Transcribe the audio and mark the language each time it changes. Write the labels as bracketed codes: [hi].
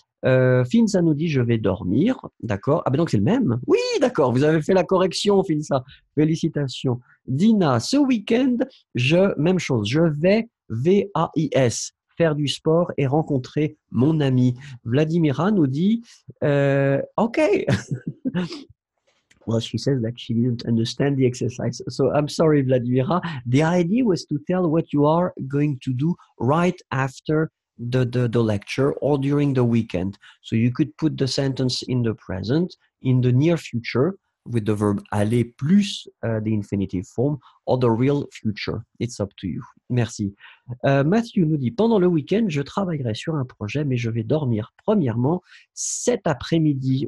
[fr] Finza nous dit « je vais dormir », d'accord, ah ben donc c'est le même. Oui, d'accord, vous avez fait la correction, Finza, félicitations. Dina, ce week-end, je, même chose, je vais, V-A-I-S, faire du sport et rencontrer mon ami. Vladimira nous dit, OK. [en] Well, she says that she didn't understand the exercise. So I'm sorry, Vladimira. The idea was to tell what you are going to do right after the lecture or during the weekend. So you could put the sentence in the present, in the near future, with the verb aller plus the infinitive form or the real future. It's up to you. [fr] Merci. Matthew nous dit, pendant le week-end, je travaillerai sur un projet, mais je vais dormir premièrement cet après-midi.